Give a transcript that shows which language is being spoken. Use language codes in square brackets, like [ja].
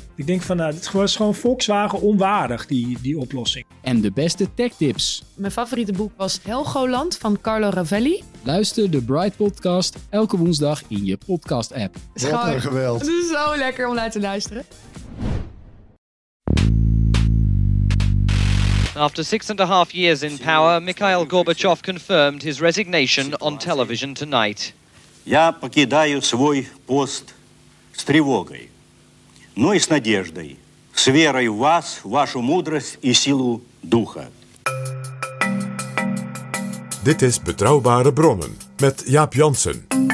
[nl] Ik denk van, het was gewoon Volkswagen onwaardig, die oplossing. En de beste tech tips. Mijn favoriete boek was Helgoland van Carlo Rovelli. Luister de Bright Podcast elke woensdag in je podcast app. Wat een geweld. Het is zo lekker om naar te luisteren. [en] After 6.5 years in power, Mikhail Gorbachev confirmed his resignation on television tonight. [ru] Я покидаю свой пост с тревогой, но и с надеждой, с верой в вас, вашу мудрость и силу духа. [nl] Dit is Betrouwbare Bronnen met Jaap Janssen.